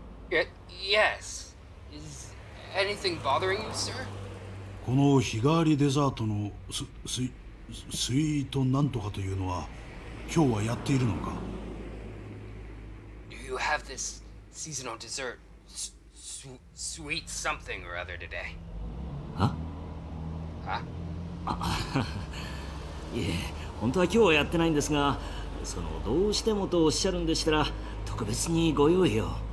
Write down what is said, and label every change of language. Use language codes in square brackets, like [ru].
[en] Yes. Is anything bothering you, sir? [ja] このスイートなんとかというのは今日はやっているのか? [en] You have this seasonal dessert, sweet something or other today. Huh? Huh? [ja] いえ、本当は今日はやってないんですが、そのどうしてもとおっしゃるんでしたら特別にご用意を。